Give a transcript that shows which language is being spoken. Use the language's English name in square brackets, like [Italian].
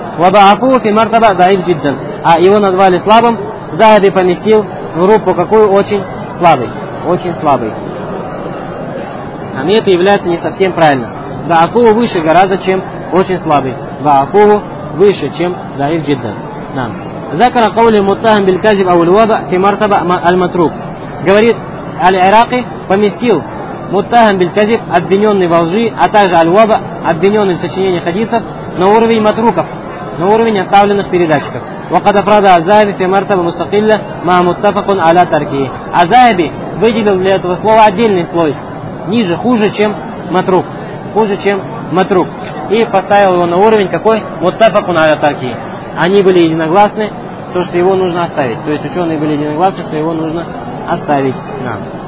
[Arabic] Вадафуху фи мартаба даиф джиддан. [Russian] А его назвали слабым. Захаби поместил в группу какую? Очень слабый. Очень слабый. А мне это является не совсем правильно. Даафуху выше гораздо, чем очень слабый. Даафуху выше, чем даиф джиддан. [Arabic] ذكر قول المتهم بالكذب أو الوضع في مرتبة المتروك. [Russian] Говорит العراقي поместил [Arabic] متهم بالكذب [Russian] обвиненный во лжи, а также الوضع обвиненный в сочинении хадисов на уровень متروков, на уровень оставленных передатчиков. [Arabic] وقد أفرد الذهبي في مرتبة مستقلة مع متفق على تركه. [Russian] الذهبي выделил для этого слова отдельный слой ниже, хуже, чем متروك, хуже, чем متروك, и поставил его на уровень какой? Муттафакун аля тарки. Они были единогласны, то, что его нужно оставить. То есть ученые были единогласны, что его нужно оставить. Да.